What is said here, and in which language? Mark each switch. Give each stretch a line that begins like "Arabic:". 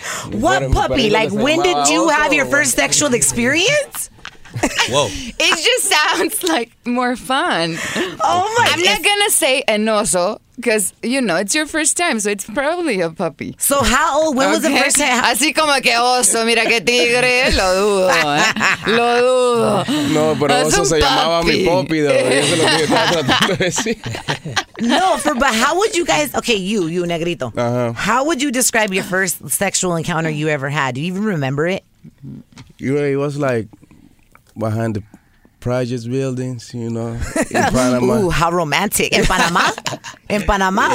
English: What puppy? Like, when did you have your first sexual experience? Whoa. It just sounds like more fun. Oh my. I'm not going to say enoso because, you know, it's your first time, so it's probably a puppy. So how old? When was the first time?
Spanish: Así como que oso, mira que tigre, lo dudo. Lo dudo. No, pero oso se llamaba mi puppy, though. Eso es lo que yo estaba tratando de decir.
English: No, for, but how would you guys, okay, you Negrito. Uh-huh. How would you describe your first sexual encounter you ever had? Do you even remember it? It was like behind the project buildings, you know, in Panama. Ooh, how romantic. In Panama? In Panama?